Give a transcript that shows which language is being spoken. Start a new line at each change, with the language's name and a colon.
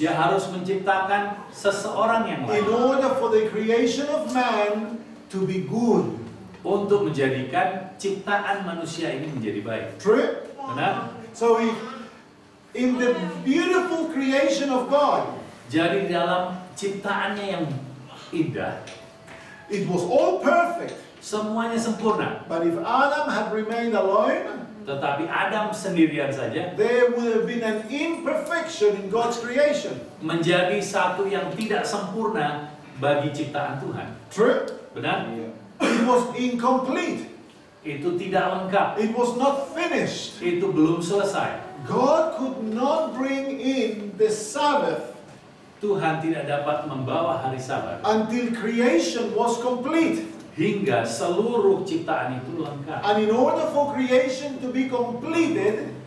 Indonesian: Dia harus menciptakan seseorang yang lain.
English: In order for the creation of man to be good.
Indonesian: Untuk menjadikan ciptaan manusia ini menjadi baik.
English: True?
Indonesian: Benar?
English: So in the beautiful creation of God,
Indonesian: jadi dalam ciptaannya yang indah,
English: it was all perfect.
Indonesian: Semuanya sempurna.
English: But if Adam had remained alone,
Indonesian: tetapi Adam sendirian saja,
English: there would have been an imperfection in God's creation.
Indonesian: Menjadi satu yang tidak sempurna bagi ciptaan Tuhan.
English: True?
Indonesian: Benar?
English: Yeah. It was incomplete.
Indonesian: Itu tidak lengkap.
English: It was not finished.
Indonesian: Itu belum selesai.
English: God could not bring in the Sabbath.
Indonesian: Tuhan tidak dapat membawa hari Sabat.
English: Until creation was complete.
Indonesian: Hingga seluruh ciptaan itu lengkap.
English: And in order for creation to be completed,